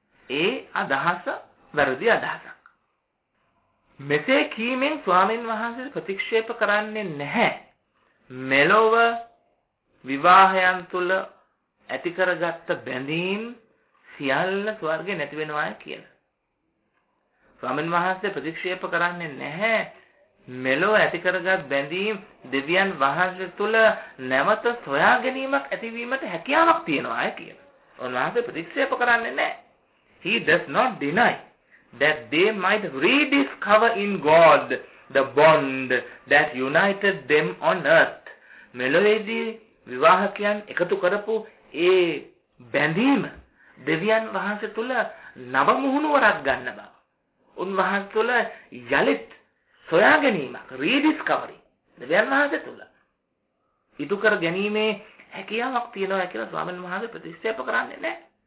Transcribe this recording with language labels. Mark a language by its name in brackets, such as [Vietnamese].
[Sinhala] ඒ අදහස වැරදි අදහසක්. මෙසේ කීමෙන් ස්වාමීන් වහන්සේ ප්‍රතික්ෂේප කරන්නේ නැහැ මෙලොව විවාහයන් තුළ ඇති කරගත්ත බැඳීම් සියල්ල ස්වර්ගේ නැති වෙනවා කියලා. ස්වාමීන් වහන්සේ ප්‍රතික්ෂේප කරන්නේ නැහැ මෙලොව ඇති කරගත් බැඳීම් දෙවියන් වහන්සේ තුළ නැවත සොයා ගැනීමක් ඇතිවීමට හැකියාවක් තියෙනවා කියලා. උන්වහන්සේ ප්‍රතික්ෂේප කරන්නේ නැහැ. [English] He does not deny that they might rediscover in God the bond that united them on earth. [Sinhala] මෙලොවේදී විවාහකයන් එකතු කරපු ඒ බැඳීම දෙවියන් වහන්සේ තුළ නව මුහුණුවරක් ගන්න බව. උන්වහන්සේ තුළ යලිත් සොයා ගැනීමක්, rediscovery දෙවියන් වහන්සේ තුළ ඉටු කර ගැනීමේ හැකියාවක් තියෙනවා කියලා ස්වාමීන් වහන්සේ ප්‍රතික්ෂේප කරන්නේ නැහැ.